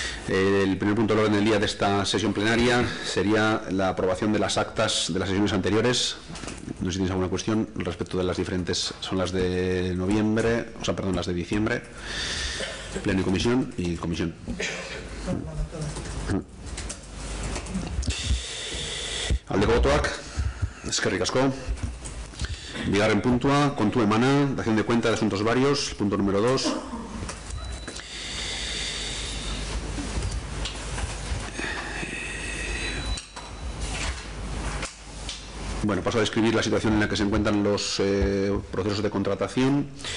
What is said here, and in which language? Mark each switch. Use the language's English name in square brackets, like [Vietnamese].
[Spanish] El primer punto del orden del día de esta sesión plenaria sería la aprobación de las actas de las sesiones anteriores. No sé si tienes alguna cuestión respecto de las diferentes, son las de noviembre, o sea, perdón, las de diciembre. Pleno y comisión y comisión. [Basque] Aldeko botoak, eskerrik asko. Bigarren puntua, kontu emana, [Spanish] dación de cuenta de asuntos varios, punto número 2. Bueno, paso a describir la situación en la que se encuentran los procesos de contratación.